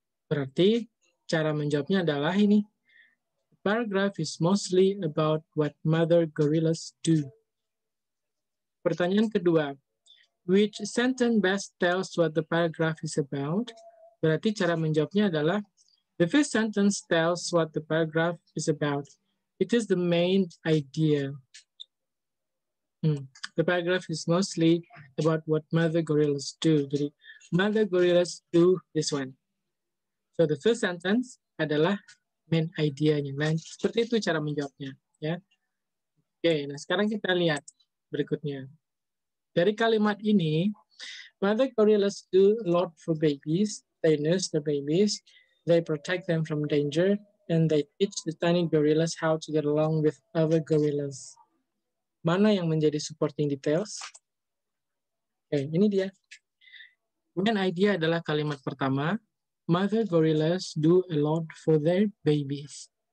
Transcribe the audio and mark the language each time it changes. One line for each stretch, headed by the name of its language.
Indonesian: Berarti cara menjawabnya adalah ini.
English: The paragraph is mostly about what mother gorillas do.
Indonesian: Pertanyaan kedua,
English: which sentence best tells what the paragraph is about?
Indonesian: Berarti cara menjawabnya adalah,
English: the first sentence tells what the paragraph is about. It is the main idea. The paragraph is mostly about what mother gorillas do. Jadi, mother gorillas do this one. So the first sentence
Indonesian: adalah main idea-nya. Nah, seperti itu cara menjawabnya. Ya. Okay, nah sekarang kita lihat berikutnya. Dari kalimat ini,
English: mother gorillas do a lot for babies. They nurse the babies. They protect them from danger. And they teach the tiny gorillas how to get along with other gorillas.
Indonesian: Mana yang menjadi supporting details? Okay, ini dia. Main idea adalah kalimat pertama.
English: Mother gorillas do a lot for their babies.